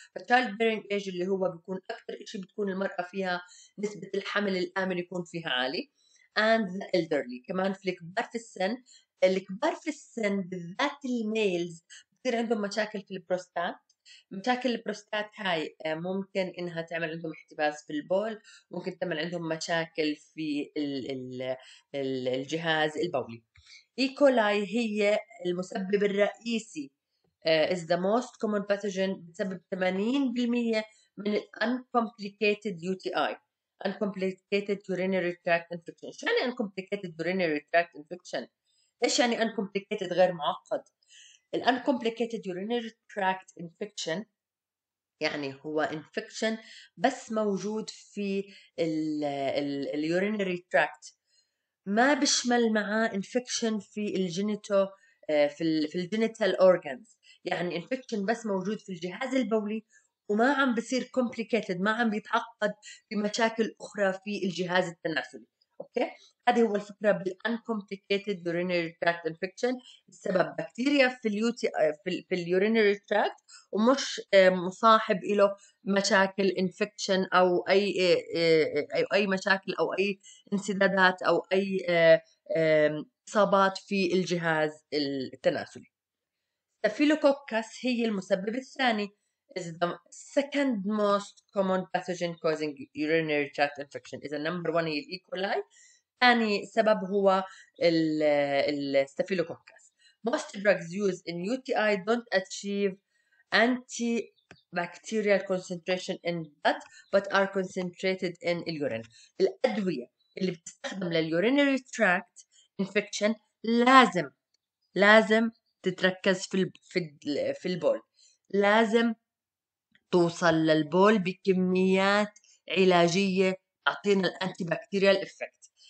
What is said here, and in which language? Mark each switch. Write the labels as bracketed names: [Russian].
[Arabic] فالتشايلد بيرينج إيج اللي هو بيكون أكثر إشي بتكون المرأة فيها نسبة الحمل الآمن يكون فيها عالي، [English] and the elderly [Arabic] كمان في الكبار في السن. الكبار في السن بالذات الميلز بصير عندهم مشاكل في البروستات. مشاكل البروستات هاي ممكن انها تعمل عندهم احتباس في البول، ممكن تعمل عندهم مشاكل في الجهاز البولي. إيكولاي هي المسبب الرئيسي، [English] is the most common pathogen، [Arabic] بتسبب 80% من uncomplicated UTI. [English] uncomplicated urinary tract infection. [Arabic] شو يعني uncomplicated urinary tract infection؟ ايش يعني uncomplicated غير معقد؟ ال uncomplicated urinary tract infection يعني هو infection بس موجود في ال urinary tract، ما بشمل معاه infection في الجينيتو، في الجينيتال organs. يعني infection بس موجود في الجهاز البولي وما عم بصير complicated، ما عم بيتعقد بمشاكل أخرى في الجهاز التناسلي. أوكي، هذه هو الفكرة بال uncomplicated urinary tract infection، السبب بكتيريا في الـ UTI في الـ urinary tract ومش مصاحب إله مشاكل infection أو أي مشاكل أو أي انسدادات أو أي إصابات في الجهاز التناسلي. [English] Staphylococcus [Arabic] هي المسبب الثاني، [English] is the second most common pathogen causing urinary tract infection. is the number one [Arabic] هي [English] E. coli. [Arabic] ثاني سبب هو ال staphylococcus. [English] most drugs used in UTI don't achieve antibacterial concentration in blood but are concentrated in urine. [Arabic] الأدوية اللي بتستخدم للurinary tract infection لازم تتركز في البول، لازم توصل للبول بكميات علاجية تعطينا الأنتي بكتيريال إفكت.